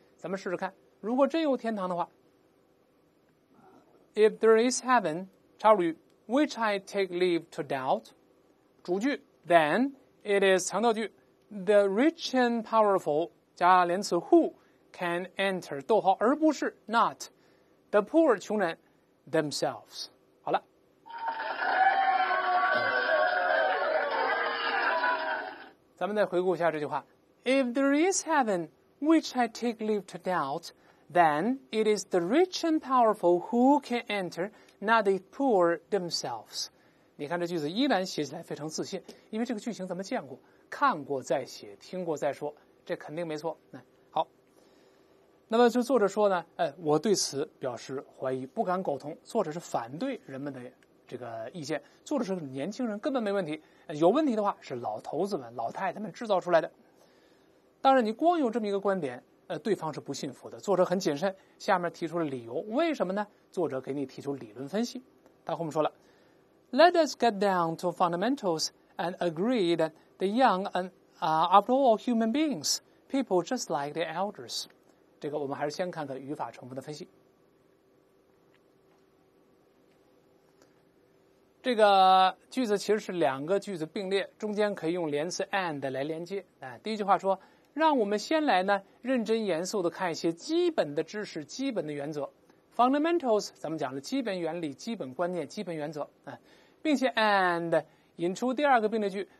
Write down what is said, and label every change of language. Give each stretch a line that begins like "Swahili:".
Chinese: 咱们试试看，如果真有天堂的话
English: ，If there is heaven，
Chinese: 插入语
English: ，which I take leave to doubt，
Chinese: 主句
English: ，then it is
Chinese: 强调句
English: ，the rich and powerful
Chinese: 加连词
English: who can enter，
Chinese: 逗号，而不是
English: not the poor
Chinese: 穷人
English: themselves。
Chinese: 好了，咱们再回顾一下这句话。
English: If there is heaven, which I take leave to doubt, then it is the rich and powerful who can enter, not the poor themselves.
Chinese: 你看这句子依然写起来非常自信，因为这个句型咱们见过，看过再写，听过再说，这肯定没错。好，那么就作者说呢，我对此表示怀疑，不敢苟同。作者是反对人们的这个意见，作者是年轻人根本没问题，有问题的话是老头子们、老太太们制造出来的。当然你光有这么一个观点，对方是不信服的。作者很谨慎，下面提出了理由，为什么呢？作者给你提出理论分析。他后面说了
English: Let us get down to fundamentals and agree that the young and after all human beings, people just like the elders.
Chinese: 这个我们还是先看看语法成分的分析。这个句子其实是两个句子并列，中间可以用连词 and 来连接。第一句话说，让我们先来呢认真严肃地看一些基本的知识，基本的原则 fundamentals， 咱们讲了基本原理、基本观念、基本原则，并且 and 引出第二个并列句。